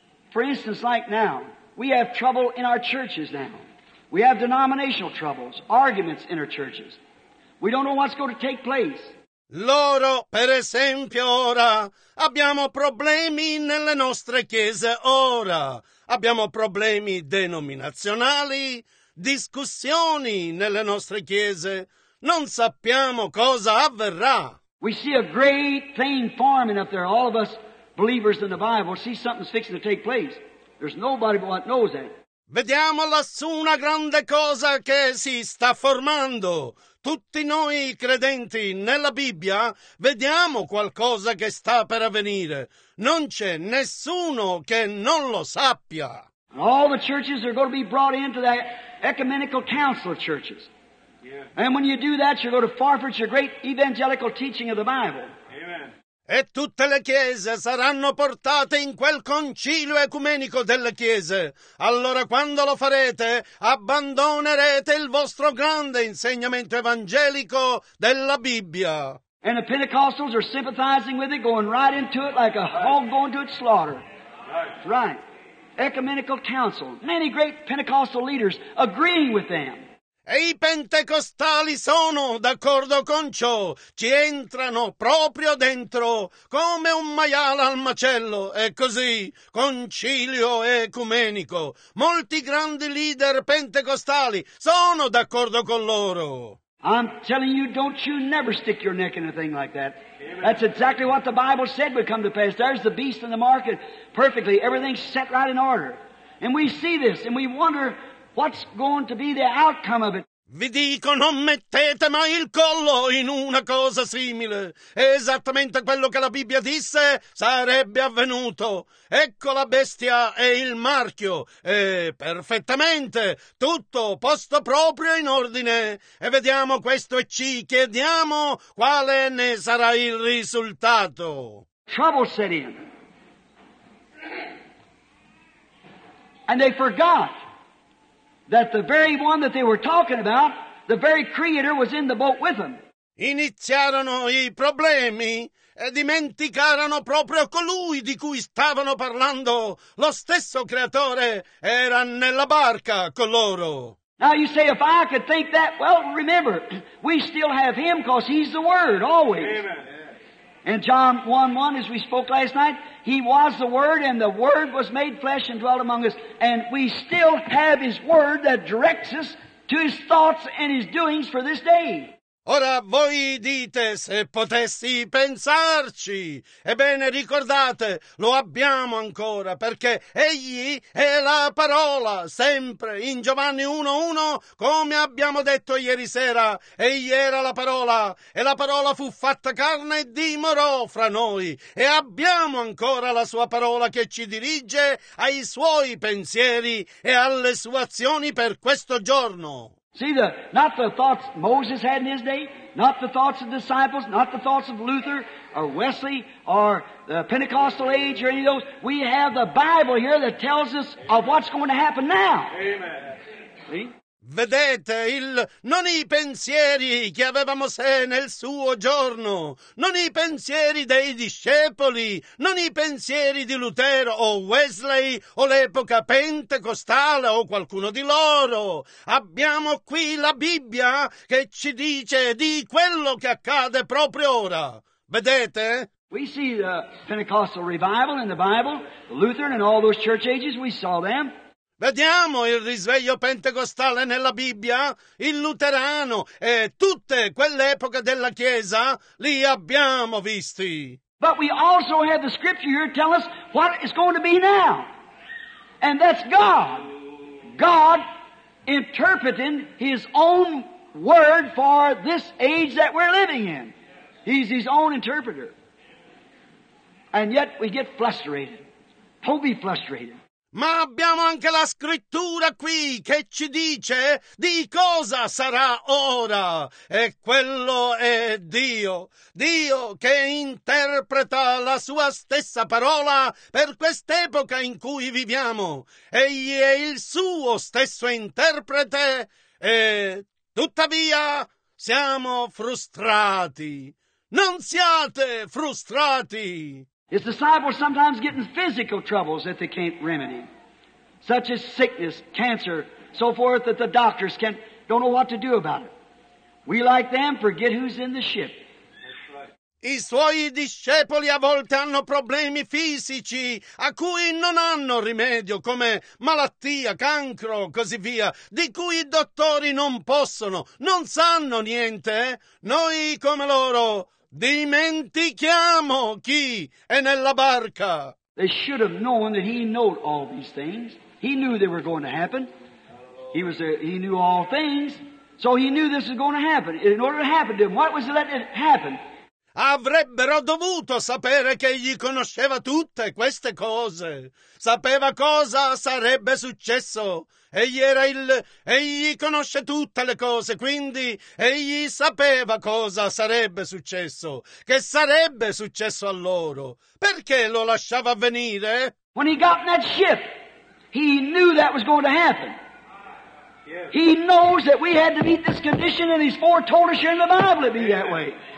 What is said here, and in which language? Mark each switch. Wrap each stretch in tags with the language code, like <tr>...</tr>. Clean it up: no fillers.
<en>For instance, like now, we have trouble in our churches now. We have denominational troubles, arguments in our churches. We don't know what's going to take place.</en> <it>Loro, per esempio, ora abbiamo problemi nelle nostre chiese. Ora abbiamo problemi denominazionali. Discussioni nelle nostre chiese. Non sappiamo cosa avverrà.</it> <en>We see a great thing forming up there. All of us believers in the Bible see something's fixing to take place. There's nobody but what knows that.</en> <it>Vediamo lassù una grande cosa che si sta formando. Tutti noi credenti nella Bibbia vediamo qualcosa che sta per avvenire. Non c'è nessuno che non lo sappia.</it> <en>And all the churches are going to be brought into the ecumenical council of churches. Yeah. And when you do that, you're going to forfeit your great evangelical teaching of the Bible. Amen.</en> <it>E tutte le chiese saranno portate in quel concilio ecumenico delle chiese. Allora, quando lo farete, abbandonerete il vostro grande insegnamento evangelico della Bibbia.</it> <en>And the Pentecostals are sympathizing with it, going right into it like a hog going to its slaughter. Right. Right. Ecumenical council. Many great Pentecostal leaders agreeing with them.</en> <it>E i pentecostali sono d'accordo con ciò. Ci entrano proprio dentro, come un maiale al macello. E così, concilio ecumenico. Molti grandi leader pentecostali sono d'accordo con loro.</it> <en>I'm telling you, don't you never stick your neck in a thing like that. Amen. That's exactly what the Bible said would come to pass. There's the beast in the market perfectly. Everything's set right in order. And we see this, and we wonder what's going to be the outcome of it.</en> <it>Vi dico, non mettete mai il collo in una cosa simile. Esattamente quello che la Bibbia disse sarebbe avvenuto. Ecco la bestia e il marchio. E perfettamente tutto posto proprio in ordine. E vediamo questo e ci chiediamo quale ne sarà il risultato.</it> <en>Trouble set in. And they forgot that the very one that they were talking about, the very Creator, was in the boat with them.</en> <it>Iniziarono i problemi e dimenticarono proprio colui di cui stavano parlando. Lo stesso Creatore era nella barca con loro.</it> <en>Now you say, if I could think that, well, remember, we still have Him because He's the Word always. Amen. And John 1:1, as we spoke last night, He was the Word, and the Word was made flesh and dwelt among us. And we still have His Word that directs us to His thoughts and His doings for this day.</en> <it>Ora voi dite, se potessi pensarci. Ebbene, ricordate, lo abbiamo ancora, perché Egli è la parola, sempre, in Giovanni 1:1, come abbiamo detto ieri sera. Egli era la parola, e la parola fu fatta carne e dimorò fra noi. E abbiamo ancora la sua parola che ci dirige ai suoi pensieri e alle sue azioni per questo giorno.</it> <en>See, not the thoughts Moses had in his day, not the thoughts of disciples, not the thoughts of Luther or Wesley or the Pentecostal age or any of those. We have the Bible here that tells us of what's going to happen now. Amen. See?</en> <it>Vedete, non i pensieri che aveva Mosè nel suo giorno, non i pensieri dei discepoli, non i pensieri di Lutero o Wesley o l'epoca pentecostale o qualcuno di loro. Abbiamo qui la Bibbia che ci dice di quello che accade proprio ora. Vedete?</it> <en>We see the Pentecostal revival in the Bible, the Lutheran and all those church ages, we saw them.</en> <it>Vediamo il risveglio pentecostale nella Bibbia, il luterano e tutte quelle epoche della Chiesa li abbiamo visti.</it> <en>But we also have the scripture here tell us what is going to be now. And that's God. God interpreting His own word for this age that we're living in. He's His own interpreter. And yet we get frustrated. Don't be frustrated.</en> <it>Ma abbiamo anche la scrittura qui che ci dice di cosa sarà ora. E quello è Dio. Dio che interpreta la sua stessa parola per quest'epoca in cui viviamo. Egli è il suo stesso interprete e tuttavia siamo frustrati. Non siate frustrati!</it> <en>His disciples sometimes getting physical troubles that they can't remedy, such as sickness, cancer, so forth, that the doctors can't, don't know what to do about it. We, like them, forget who's in the ship.</en> <it>I suoi discepoli a volte hanno problemi fisici a cui non hanno rimedio, come malattia, cancro, così via, di cui i dottori non possono, non sanno niente. Noi, come loro, dimentichiamo chi è nella barca.</it> <en>They should have known that He knew all these things. He knew they were going to happen. He knew all things. So He knew this was going to happen. In order to happen to Him, what was to let it happen?</en> <it>Avrebbero dovuto sapere che egli conosceva tutte queste cose. Sapeva cosa sarebbe successo. Egli conosce tutte le cose, quindi egli sapeva cosa sarebbe successo, che sarebbe successo a loro. Perché lo lasciava venire?</it> <en>When he got in that ship, he knew that was going to happen. He knows that we had to meet this condition, and he's foretold us here in the Bible to be that way.</en>